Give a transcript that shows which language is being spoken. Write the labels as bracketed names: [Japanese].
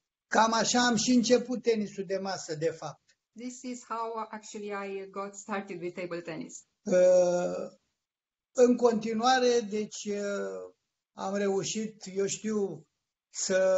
[Romanian] Cam așa am și început tenisul de masă, de fapt. [English] This is how actually I got started with table tennis. [Romanian] În continuare, deci am reușit, eu știu, să